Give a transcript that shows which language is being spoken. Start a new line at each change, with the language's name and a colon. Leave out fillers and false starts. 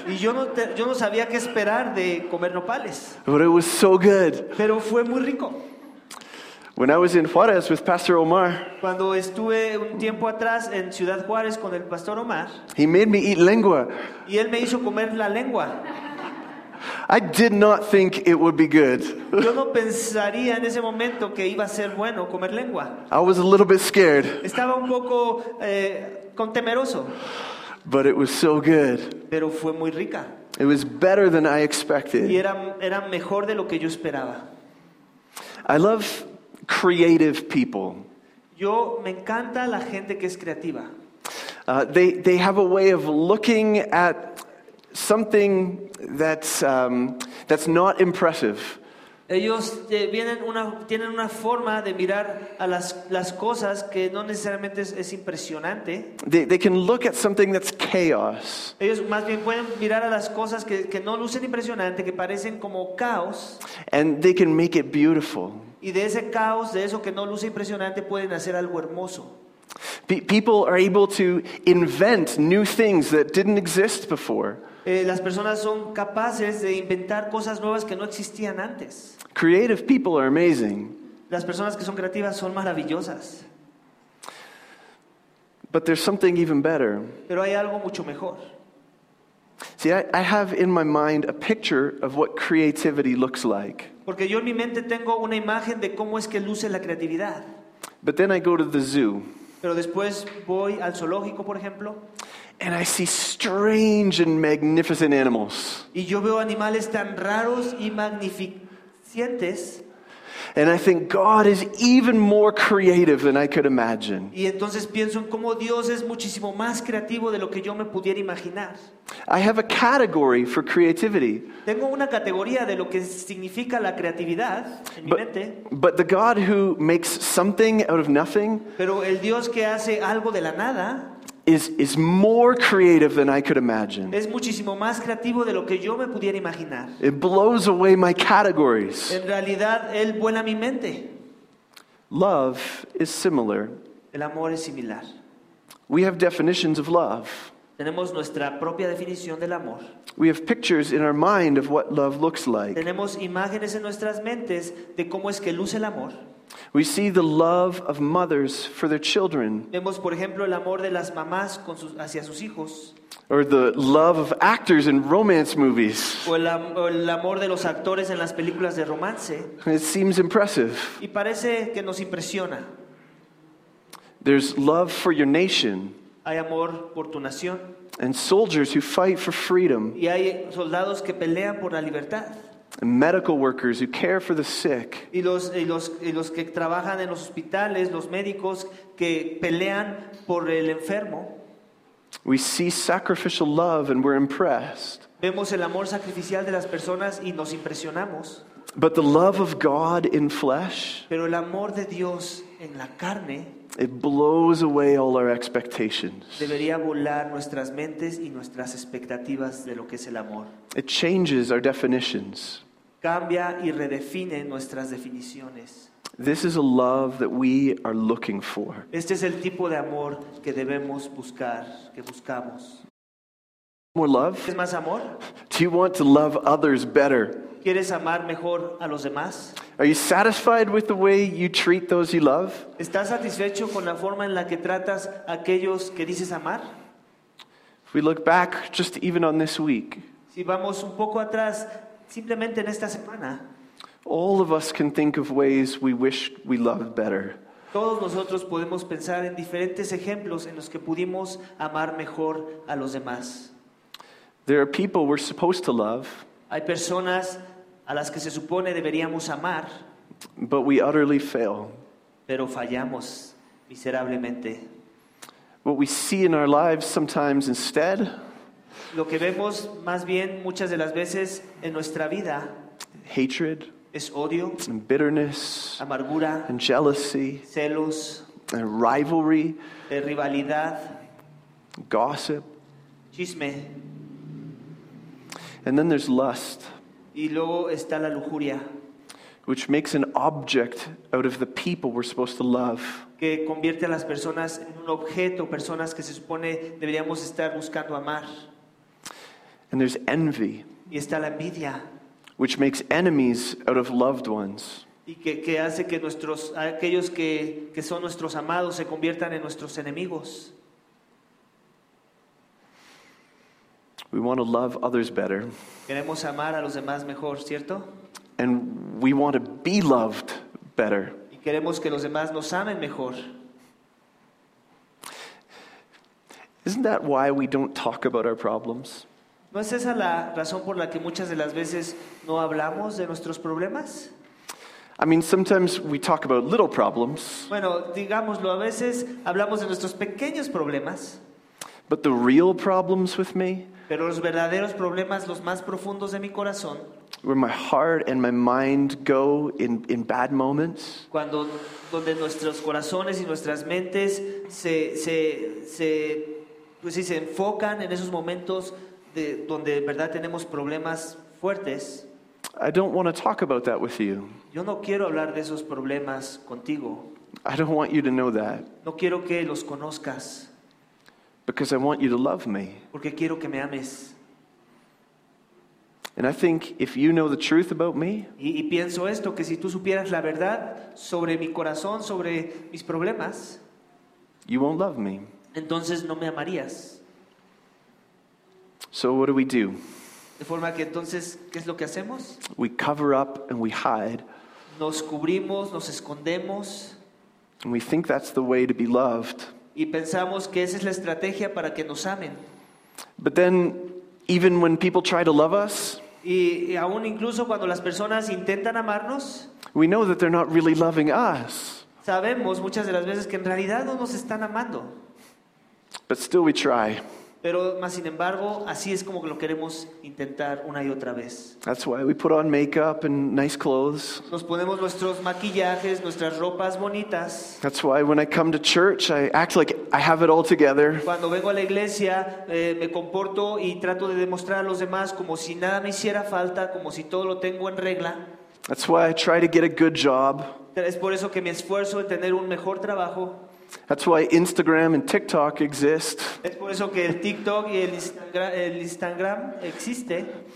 Spanish: Y yo no sabía qué esperar de comer nopales.
English: But it was so good.
Spanish: Pero fue muy rico.
English: When I was in Juarez with Pastor Omar.
Spanish: Cuando estuve un tiempo atrás en Ciudad Juárez con el Pastor Omar.
English: He made me eat lengua.
Spanish: Y él me hizo comer la lengua.
English: I did not think it would be good.
Spanish: Yo no pensaría en ese momento que iba a ser bueno comer lengua.
English: I was a little bit scared.
Spanish: Estaba un poco con temeroso.
English: But it was so good.
Spanish: Pero fue muy rica.
English: It was better than I expected.
Spanish: Y era mejor de lo que yo esperaba.
English: I love creative people.
Spanish: Yo me encanta la gente que es creativa.
English: They have a way of looking at something that's not impressive.
Spanish: Ellos tienen una forma de mirar a las cosas que no necesariamente es impresionante.
English: They can look at something that's chaos.
Spanish: Ellos más bien pueden mirar a las cosas que no lucen impresionante, que parecen como caos.
English: And they can make it beautiful.
Spanish: Y de ese caos, de eso que no luce impresionante, pueden hacer algo hermoso.
English: People are able to invent new things that didn't exist before.
Spanish: Las personas son capaces de inventar cosas nuevas que no existían antes.
English: Creative people are amazing.
Spanish: Las personas que son creativas son maravillosas.
English: But there's something even better.
Spanish: Pero hay algo mucho mejor.
English: See, I have in my mind a picture of what creativity looks like.
Spanish: Porque yo en mi mente tengo una imagen de cómo es que luce la creatividad.
English: But then I go to the zoo.
Spanish: Pero después voy al zoológico, por ejemplo.
English: And I see strange and magnificent animals.
Spanish: Y yo veo animales tan raros y magnificentes.
English: And I think God is even more creative than I could imagine.
Spanish: Y entonces pienso en cómo Dios es muchísimo más creativo de lo que yo me pudiera imaginar.
English: I have a category for creativity.
Spanish: Tengo una categoría de lo que significa la creatividad en mi mente.
English: But the God who makes something out of nothing.
Spanish: Pero el Dios que hace algo de la nada.
English: is more creative than I could imagine.
Spanish: Es muchísimo más creativo de lo que yo me pudiera imaginar.
English: It blows away my categories.
Spanish: En realidad, él vuela mi mente.
English: Love is similar.
Spanish: El amor es similar.
English: We have definitions of love.
Spanish: Tenemos nuestra propia definición del amor.
English: We have pictures in our mind of what love looks like.
Spanish: Tenemos imágenes en nuestras mentes de cómo es que luce el amor.
English: We see the love of mothers for their children.
Spanish: Vemos, por ejemplo, el amor de las mamás con sus, hacia sus hijos.
English: Or the love of actors in romance movies.
Spanish: O el amor de los actores en las películas de romance.
English: It seems impressive.
Spanish: Y parece que nos impresiona.
English: There's love for your nation.
Spanish: Hay amor por tu nación.
English: And soldiers who fight for freedom.
Spanish: Y hay soldados que pelean por la libertad.
English: And medical workers who care for the sick.
Spanish: Y los que trabajan en los hospitales, los médicos que pelean por el enfermo.
English: We see sacrificial love and we're impressed.
Spanish: Vemos el amor sacrificial de las personas y nos impresionamos.
English: But the love of God in flesh.
Spanish: Pero el amor de Dios en la carne.
English: It blows away all our expectations.
Spanish: Debería volar nuestras mentes y nuestras expectativas de lo que es el amor.
English: It changes our definitions.
Spanish: Cambia y redefine nuestras definiciones.
English: This is a love that we are looking for.
Spanish: Este es el tipo de amor que debemos buscar, que buscamos.
English: More love?
Spanish: ¿Quieres más amor?
English: Do you want to love others better?
Spanish: ¿Quieres amar mejor a los demás?
English: Are you satisfied with the way you treat those you love?
Spanish: ¿Estás satisfecho con la forma en la que tratas a aquellos que dices amar?
English: If we look back just even on this week.
Spanish: Si vamos un poco atrás, simplemente en esta semana.
English: All of us can think of ways we wish we loved better.
Spanish: Todos nosotros podemos pensar en diferentes ejemplos en los que pudimos amar mejor a los demás.
English: There are people we're supposed to love.
Spanish: Hay personas a las que se supone deberíamos amar.
English: But we utterly fail.
Spanish: Pero fallamos miserablemente.
English: What we see in our lives sometimes instead.
Spanish: Lo que vemos más bien muchas de las veces en nuestra vida.
English: Hatred.
Spanish: Es odio.
English: And bitterness.
Spanish: Amargura.
English: And jealousy.
Spanish: Celos.
English: And rivalry.
Spanish: De rivalidad.
English: Gossip.
Spanish: Chisme.
English: And then there's lust.
Spanish: Y luego está la lujuria.
English: Which makes an object out of the people we're supposed to love.
Spanish: Que convierte a las personas en un objeto, personas que se supone deberíamos estar buscando amar.
English: And there's envy.
Spanish: Y está la envidia.
English: Which makes enemies out of loved ones.
Spanish: Y que hace que nuestros aquellos que son nuestros amados se conviertan en nuestros enemigos.
English: We want to love others better.
Spanish: Queremos amar a los demás mejor, ¿cierto?
English: And we want to be loved better.
Spanish: Y queremos que los demás nos amen mejor.
English: Isn't that why we don't talk about our problems?
Spanish: ¿No es esa la razón por la que muchas de las veces no hablamos de nuestros problemas?
English: I mean, sometimes we talk about little problems.
Spanish: Bueno, digámoslo, a veces hablamos de nuestros pequeños problemas.
English: But the real problems with me.
Spanish: Pero los verdaderos problemas, los más profundos de mi corazón.
English: Where my heart and my mind go in bad moments.
Spanish: Cuando donde nuestros corazones y nuestras mentes se enfocan en esos momentos de donde en verdad tenemos problemas fuertes.
English: I don't want to talk about that with you.
Spanish: Yo no quiero hablar de esos problemas contigo.
English: I don't want you to know that.
Spanish: No quiero que los conozcas.
English: Because I want you to love me.
Spanish: Porque quiero que me ames.
English: And I think if you know the truth about me.
Spanish: Y pienso esto, que si tú supieras la verdad sobre mi corazón, sobre mis problemas.
English: You won't love me.
Spanish: Entonces no me amarías.
English: So what do we do?
Spanish: De forma que entonces, ¿qué es lo que hacemos?
English: We cover up and we hide.
Spanish: Nos cubrimos, nos escondemos.
English: And we think that's the way to be loved.
Spanish: Y pensamos que esa es la estrategia para que nos amen.
English: But then, even when people try to love us,
Spanish: y aún incluso cuando las personas intentan amarnos,
English: we know that they're not really loving us.
Spanish: Sabemos muchas de las veces que en realidad no nos están amando.
English: But still we try.
Spanish: Pero más sin embargo, así es como lo queremos intentar una y otra vez.
English: That's why we put on makeup and nice clothes.
Spanish: Nos ponemos nuestros maquillajes, nuestras ropas bonitas.
English: That's why when I come to church, I act like I have it all together.
Spanish: Cuando vengo a la iglesia, me comporto y trato de demostrar a los demás como si nada me hiciera falta, como si todo lo tengo en regla.
English: That's why I try to get a good job.
Spanish: Es por eso que me esfuerzo en tener un mejor trabajo.
English: That's why Instagram and TikTok exist.
Spanish: Es por eso que el TikTok y el Instagram existe.